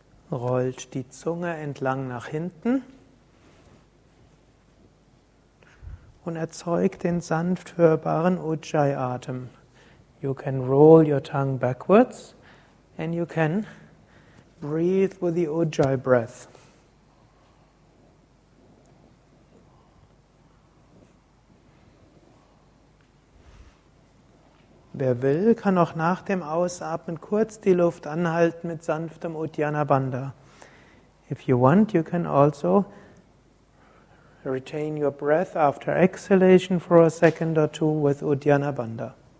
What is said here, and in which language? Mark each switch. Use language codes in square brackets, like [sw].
[de] Rollt die Zunge entlang nach hinten und erzeugt den sanft hörbaren Ujjayi-Atem. [en] You can roll your tongue backwards and you can breathe with the Ujjayi breath. [de] Wer will, kann auch nach dem Ausatmen kurz die Luft anhalten mit sanftem Uddiyana Bandha. [en] If you want, you can also retain your breath after exhalation for a second or two with Uddiyana Bandha.